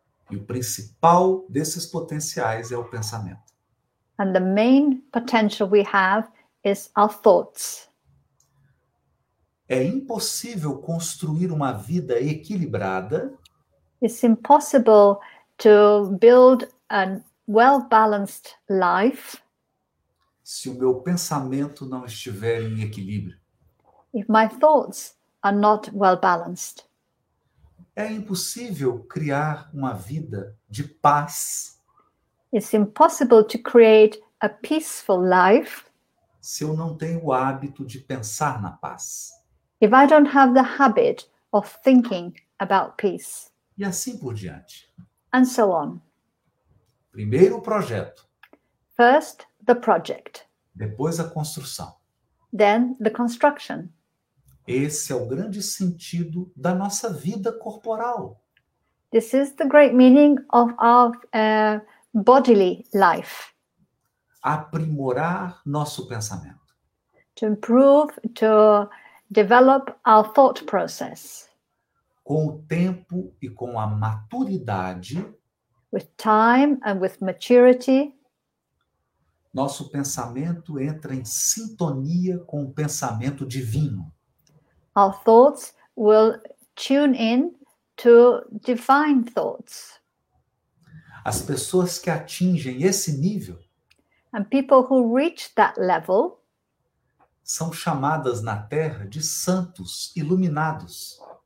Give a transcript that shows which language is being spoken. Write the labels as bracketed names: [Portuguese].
[Portuguese] E o principal desses potenciais é o pensamento. [English] And the main potential we have is our thoughts. [Portuguese] É impossível construir uma vida equilibrada. [English] It's impossible to build a well-balanced life. [Portuguese] Se o meu pensamento não estiver em equilíbrio. [English] If my thoughts are not well-balanced. [Portuguese] É impossível criar uma vida de paz. [English] It's impossible to create a peaceful life. [Portuguese] Se eu não tenho o hábito de pensar na paz. [English] If I don't have the habit of thinking about peace. [Portuguese] E assim por diante. [English] And so on. [Portuguese] Primeiro o projeto. [English] First, the project. [Portuguese] Depois a construção. [English] Then, the construction. [Portuguese] Esse é o grande sentido da nossa vida corporal. [English] This is the great meaning of our bodily life. [Portuguese] Aprimorar nosso pensamento. [English] To improve, to develop our thought process. [Portuguese] Com o tempo e com a maturidade. [English] With time and with maturity. [Portuguese] Nosso pensamento entra em sintonia com o pensamento divino. [English] Our thoughts will tune in to divine thoughts. [Portuguese] As pessoas que atingem esse nível. [English] And people who reach that level. [Portuguese] São chamadas na Terra de santos iluminados.